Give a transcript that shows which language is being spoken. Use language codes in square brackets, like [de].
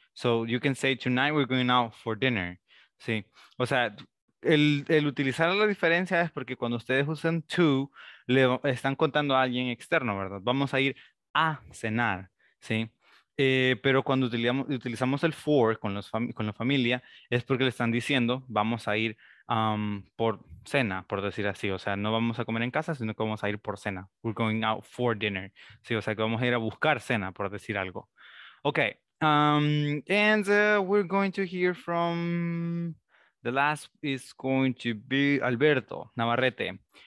[en] So you can say tonight we're going out for dinner. [es] Sí. O sea, el utilizar la diferencia es porque cuando ustedes usan to, le están contando a alguien externo, ¿verdad? Vamos a ir a cenar, ¿sí? Pero cuando utilizamos el for con la familia, es porque le están diciendo, vamos a ir por cena, por decir así. O sea, no vamos a comer en casa, sino que vamos a ir por cena. [en] We're going out for dinner. [es] Sí, o sea, que vamos a ir a buscar cena, por decir algo. [en] Ok. We're going to hear from... The last is going to be Alberto Navarrete.